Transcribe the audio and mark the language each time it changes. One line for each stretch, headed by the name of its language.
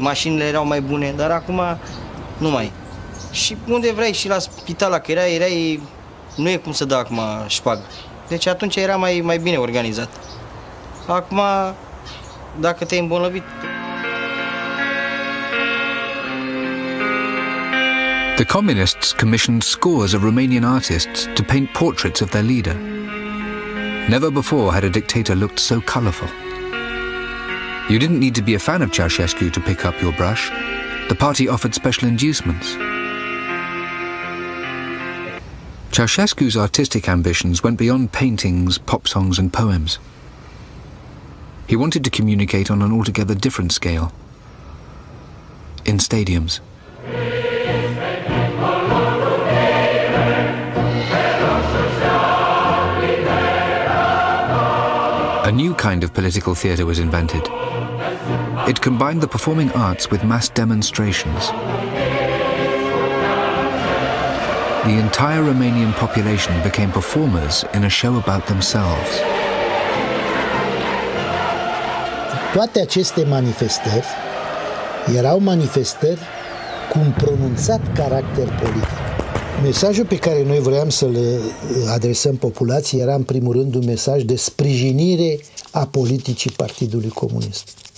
Romanian: Mașinile erau mai bune, dar acum nu mai. Și unde vrei și la spital, că era, nu e cum să dă acum șpagă. Deci atunci era mai bine organizat. Acum, dacă te-ai îmbolnăvit...
English: The communists commissioned scores of Romanian artists to paint portraits of their leader. Never before had a dictator looked so colorful. You didn't need to be a fan of Ceaușescu to pick up your brush. The party offered special inducements. Ceaușescu's artistic ambitions went beyond paintings, pop songs, and poems. He wanted to communicate on an altogether different scale. In stadiums. A new kind of political theater was invented. It combined the performing arts with mass demonstrations. The entire Romanian population became performers in a show about themselves.
Romanian: Toate aceste manifestări erau manifestări cu un pronunțat caracter politic. Mesajul pe care noi vroiam să-l adresăm populației era în primul rând un mesaj de sprijinire a politicii Partidului Comunist.